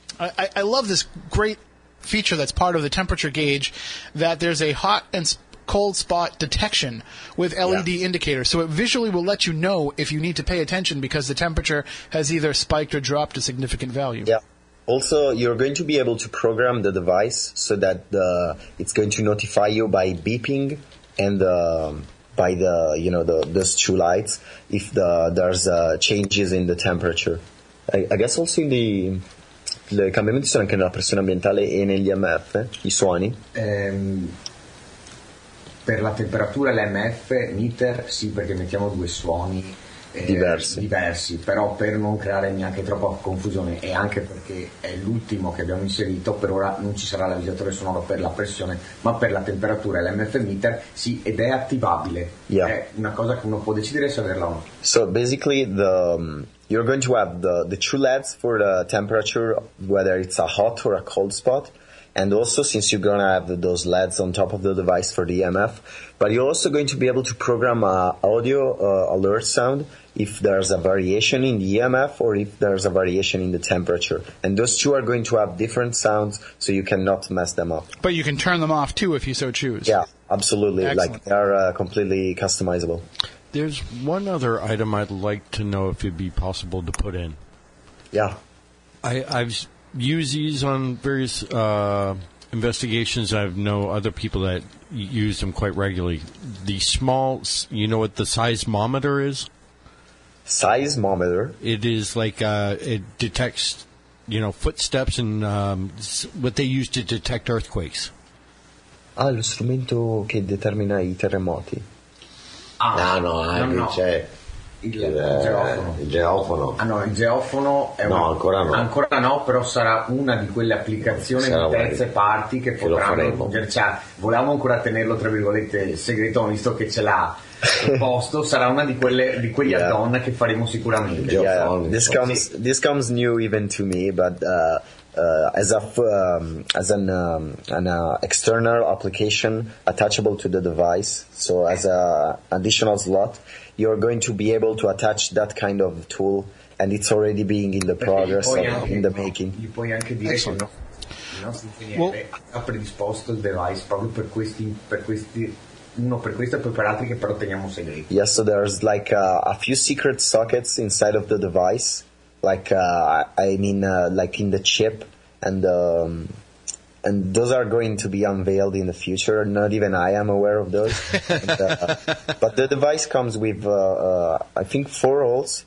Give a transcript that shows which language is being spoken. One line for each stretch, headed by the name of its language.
English: I love this great feature that's part of the temperature gauge, that there's a hot and cold spot detection with LED indicators. So it visually will let you know if you need to pay attention because the temperature has either spiked or dropped a significant value. Yeah. Also, you're going to be able to program the device so that it's going to notify you by beeping and by the, you know, those two lights if there's changes in the temperature. I guess also in the...
Italian: Le cambiamenti sono anche nella pressione ambientale e negli EMF, i suoni? Per la temperatura l'EMF, meter, sì, perché mettiamo due suoni diversi, però per non creare neanche troppa confusione e anche perché è l'ultimo che abbiamo inserito, per ora non ci sarà l'avvisatore sonoro per la pressione, ma per la temperatura l'EMF meter, sì, ed è attivabile.
English: Yeah.
Italian: È una cosa che uno può decidere se averla o no.
English: So, basically, you're going to have the two LEDs for the temperature, whether it's a hot or a cold spot. And also, since you're going to have those LEDs on top of the device for the EMF, but you're also going to be able to program an audio alert sound if there's a variation in the EMF or if there's a variation in the temperature. And those two are going to have different sounds, so you cannot mess them up. But you can turn them off, too, if you so choose. Yeah, absolutely. Excellent. Like, they are completely customizable. There's one other item I'd like to know if it'd be possible to put in. Yeah. I've used these on various investigations. I know other people that use them quite regularly. The small, you know what the seismometer is? Seismometer? It is like it detects, you know, footsteps and what they use to detect earthquakes.
Italian: Ah, lo strumento che determina I terremoti. Ah, no, c'è il geofono. Ah no, il geofono è no, ancora no. Ancora no, però sarà una di quelle applicazioni di terze parti che potranno. Cioè, volevamo ancora tenerlo tra virgolette segreto, visto che ce l'ha il posto, sarà una di quelle di quegli add-on che faremo sicuramente.
English: Yeah, this comes new even to me, but as an external application attachable to the device, so as an additional slot, you're going to be able to attach that kind of tool, and it's already being in the progress of,
Italian: anche,
English: in the making.
Italian: Gli puoi anche dire che il nostro ingegnere ha predisposto il device proprio per questi uno per questo e poi per altri che però teniamo segreti.
English: Yes, so there's like a few secret sockets inside of the device. Like in the chip, and and those are going to be unveiled in the future. Not even I am aware of those. but the device comes with, I think, 4 holes.